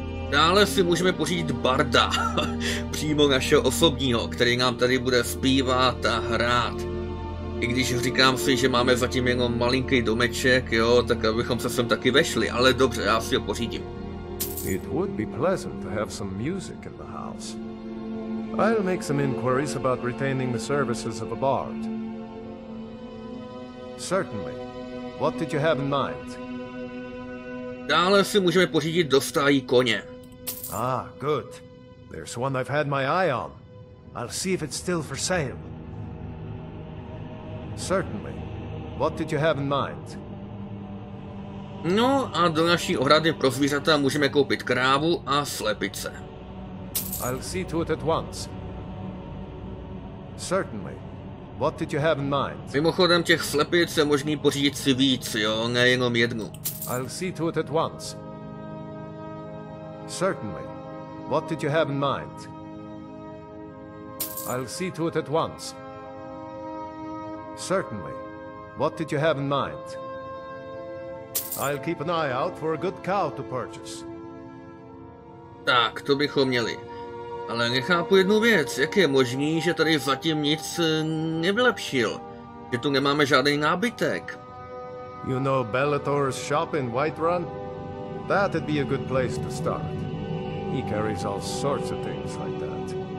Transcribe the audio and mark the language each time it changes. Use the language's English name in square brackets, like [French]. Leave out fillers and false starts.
[Czech] Dále si můžeme pořídit barda, přímo našeho osobního, který nám tady bude zpívat a hrát. I když říkám si, že máme zatím jenom malinký domeček, jo, tak abychom se sem taky vešli, ale dobře, já si ho pořídím. [English] It would be pleasant to have some music in the house. I'll make some inquiries about retaining the services of a bard. Certainly. What did you have in mind? [Czech] Dále si můžeme pořídit do stájí koně. [English] Ah, good. There's one I've had my eye on. I'll see if it's still for sale. Certainly. What did you have in mind? [Czech] No, a do naší ohrady pro zvířata můžeme koupit krávu a slepice. [English] I'll see to it at once. Certainly. What did you have in mind? [Czech] Mimochodem, těch slepic je možný pořídit si víc, jo, nejenom jednu. [English] I'll see to it at once. Certainly. What did you have in mind? I'll see to it at once. Certainly. What did you have in mind? I'll keep an eye out for a good cow to purchase. [Czech] Tak, to bychom měli. Ale nechápu jednu věc, jak je možný, že tady zatím nic nevylepšil? Že tu nemáme žádný nábytek? [English] You know Bellator's shop in Whiterun? That'd be a good place to start. He carries all sorts of things like that.